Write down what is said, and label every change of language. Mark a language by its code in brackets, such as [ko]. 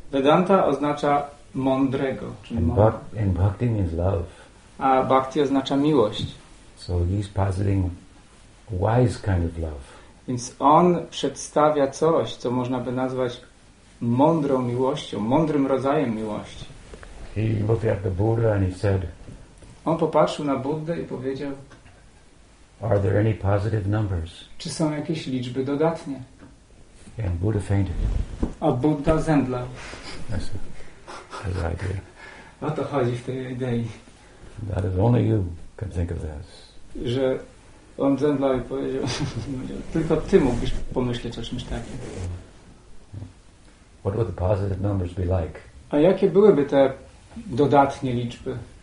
[pl] Vedanta oznacza mądrego. [en] And bhakti means love. [pl] A bhakti oznacza miłość. [en] So he's positing wise kind of love. [pl] Więc on przedstawia coś, co można by nazwać mądrą miłością, mądrym rodzajem miłości. [en] He looked at the Buddha and he said, [pl] on popatrzył na Buddę i powiedział, [en] are there any positive numbers? [pl] Czy są jakieś liczby dodatnie? [en] And Buddha fainted. [pl] A Buddha zemdlał. [en] That's the idea. [pl] O to chodzi w tej idei. [en] That is only you can think of this. [pl] Że on zemdlał i powiedział, tylko ty mógłbyś pomyśleć o czymś takim. [en] What would the positive numbers be like? [pl] A jakie byłyby te dodatnie liczby?